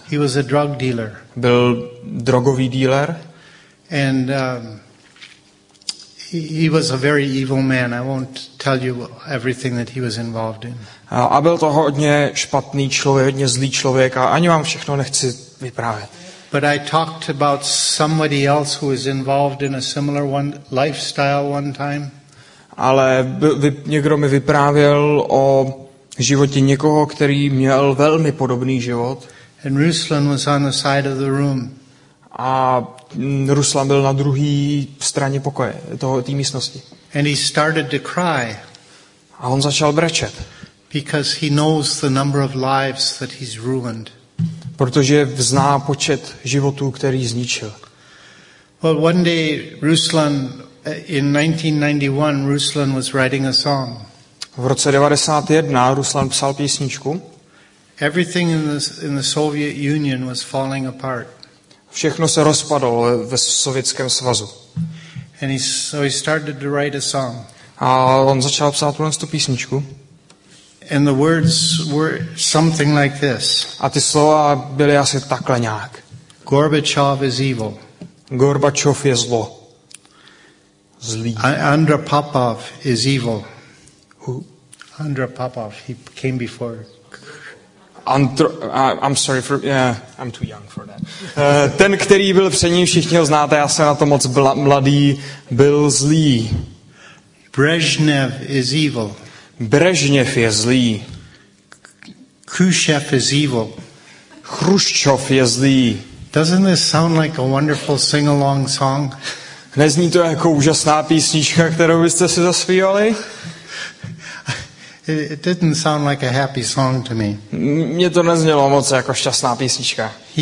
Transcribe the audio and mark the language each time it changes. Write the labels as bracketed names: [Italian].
[English] He was a drug dealer. [Czech] Byl drogový dealer. [English] And he was a very evil man. I won't tell you everything that he was involved in. [Czech] A byl to hodně špatný člověk, hodně zlý člověk a ani vám všechno nechci vyprávět. [English] But I talked about somebody else who was involved in a similar one lifestyle one time. [Czech] Ale někdo mi vyprávěl o životě někoho, který měl velmi podobný život. [English] And Ruslan was on the side of the room. [Czech] A Ruslan byl na druhé straně pokoje, té místnosti. [English] And he started to cry. [Czech] A on začal brečet. [English] Because he knows the number of lives that he's ruined. [Czech] Protože zná počet životů, který zničil. [English] Well, one day Ruslan in 1991 Ruslan was writing a song. [Czech] V roce 91 Ruslan psal písničku. [English] Everything in the Soviet Union was falling apart. [Czech] Všechno se rozpadlo ve Sovětském svazu. [English] And he started to write a song. [Czech] A on začal psát tu písničku. [English] And the words were something like this. [Czech] A ty slova byly asi takhle nějak. [English] Gorbachev is evil. [Czech] Gorbačov je zlo. Zlý. [English] Andropov is evil. Who? Andropov, he came before. I'm sorry for, yeah, I'm too young for that. [Czech] Ten, který byl před ním, všichni ho znáte, já jsem na to moc mladý, byl zlý. [English] Brežnev is evil. [Czech] Brežněv je zlý. [English] Khrushchev is evil. [Czech] Chruščov je zlý. [English] Doesn't this sound like a wonderful sing-along song? [Czech] Nezní to jako úžasná písnička, kterou byste si zaspívali? [English] It didn't sound like a happy song to me. [Czech] Mně to neznělo moc jako šťastná písnička.